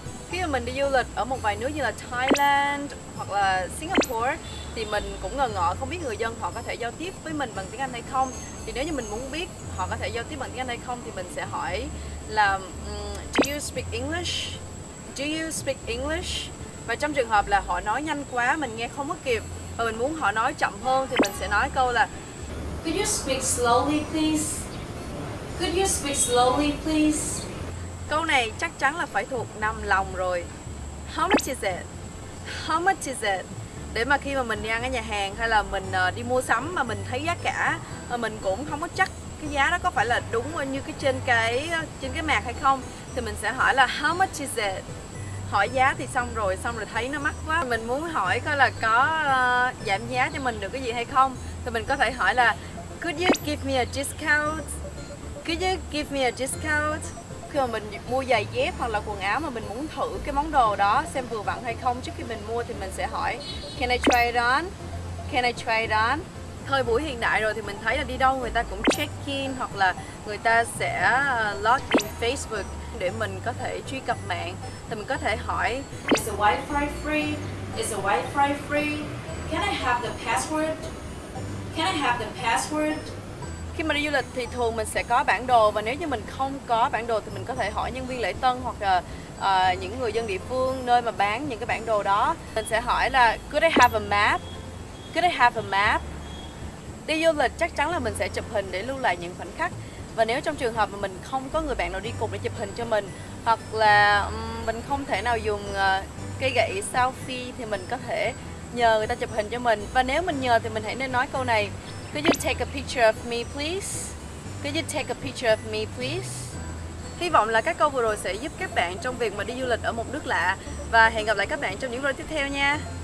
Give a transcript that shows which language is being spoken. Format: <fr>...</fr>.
<vi>Khi mà mình đi du lịch ở một vài nước như là Thailand hoặc là Singapore thì mình cũng ngờ ngợ không biết người dân họ có thể giao tiếp với mình bằng tiếng Anh hay không. Thì nếu như mình muốn biết họ có thể giao tiếp bằng tiếng Anh hay không thì mình sẽ hỏi là</vi> <en>Do you speak English? Do you speak English?</en> <vi>Và trong trường hợp là họ nói nhanh quá mình nghe không có kịp và mình muốn họ nói chậm hơn thì mình sẽ nói câu là</vi> <en>Could you speak slowly please? Could you speak slowly please?</en> <vi>Câu này chắc chắn là phải thuộc nằm lòng rồi.</vi> <en>How much is it?</en> <vi>How much is it? Để mà khi mà mình đi ăn ở nhà hàng hay là mình đi mua sắm mà mình thấy giá cả mà mình cũng không có chắc cái giá đó có phải là đúng như cái trên cái mạc hay không thì mình sẽ hỏi là</vi> <en>how much is it?</en> <vi>Hỏi giá thì xong rồi thấy nó mắc quá. Mình muốn hỏi coi là có giảm giá cho mình được cái gì hay không thì mình có thể hỏi là</vi> <en>Could you give me a discount? Could you give me a discount?</en> <vi>Khi mà mình mua giày dép hoặc là quần áo mà mình muốn thử cái món đồ đó xem vừa vặn hay không trước khi mình mua thì mình sẽ hỏi</vi> <en>Can I try it on?</en> <vi>Can I try it on? Thời buổi hiện đại rồi thì mình thấy là đi đâu người ta cũng check in hoặc là người ta sẽ log in Facebook để mình có thể truy cập mạng thì mình có thể hỏi</vi> <en>Is the Wi-Fi free? Is the Wi-Fi free? Can I have the password? Can I have the password?</en> <vi>Khi mà đi du lịch thì thường mình sẽ có bản đồ và nếu như mình không có bản đồ thì mình có thể hỏi nhân viên lễ tân hoặc là những người dân địa phương nơi mà bán những cái bản đồ đó. Mình sẽ hỏi là</vi> <en>Could I have a map? Could I have a map?</en> <vi>Đi du lịch chắc chắn là mình sẽ chụp hình để lưu lại những khoảnh khắc. Và nếu trong trường hợp mà mình không có người bạn nào đi cùng để chụp hình cho mình hoặc là mình không thể nào dùng cây gậy selfie thì mình có thể nhờ người ta chụp hình cho mình. Và nếu mình nhờ thì mình hãy nên nói câu này</vi> <en>Could you take a picture of me please? Could you take a picture of me please?</en> <vi>Hy vọng là các câu vừa rồi sẽ giúp các bạn trong việc mà đi du lịch ở một nước lạ và hẹn gặp lại các bạn trong những video tiếp theo nha.</vi>